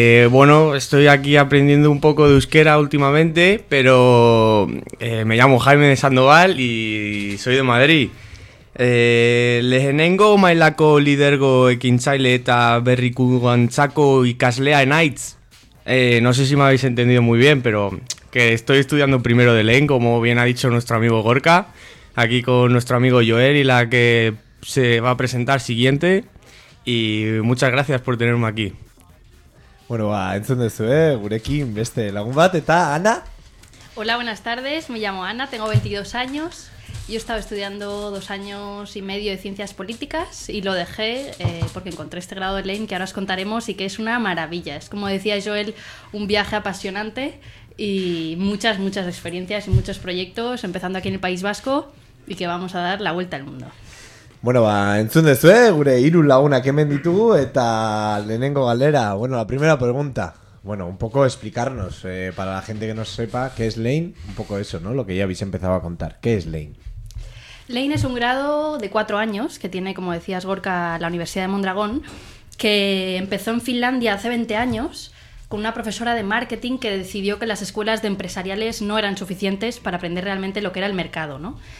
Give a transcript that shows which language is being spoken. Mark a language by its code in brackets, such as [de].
[es] Bueno, estoy aquí aprendiendo un poco de euskera últimamente, pero me llamo Jaime de Sandoval y soy de Madrid. [eu] Lehenengo mailako lidergo ekintzaile eta berrikuntzako ikaslea naiz. [es] No sé si me habéis entendido muy bien, pero que estoy estudiando primero de lengua, como bien ha dicho nuestro amigo Gorka, aquí con nuestro amigo Joel y la que se va a presentar siguiente. Y muchas gracias por tenerme aquí. Bueno, va, entonces, [eu] gurekin, beste lagun bat, eta Ana. [es] Hola, buenas tardes, me llamo Ana, tengo 22 años. Yo estaba estudiando 2 años y medio de ciencias políticas y lo dejé porque encontré este grado de LEIN que ahora os contaremos y que es una maravilla. Es como decía Joel, un viaje apasionante y muchas, muchas experiencias y muchos proyectos empezando aquí en el País Vasco y que vamos a dar la vuelta al mundo. Bueno, va, [eu] entzun dezue, gure hiru lagunak hemen ditugu eta lehenengo galera. [es] Bueno, la primera pregunta. Bueno, un poco explicarnos para la gente que no sepa qué es LEIN, un poco eso, ¿no? Lo que ya habéis empezado a contar. ¿Qué es LEIN? LEIN es un grado de 4 años que tiene, como decías Gorka, la Universidad de Mondragón, que empezó en Finlandia hace 20 años con una profesora de marketing que decidió que las escuelas de empresariales no eran suficientes para aprender realmente lo que era el mercado, ¿no?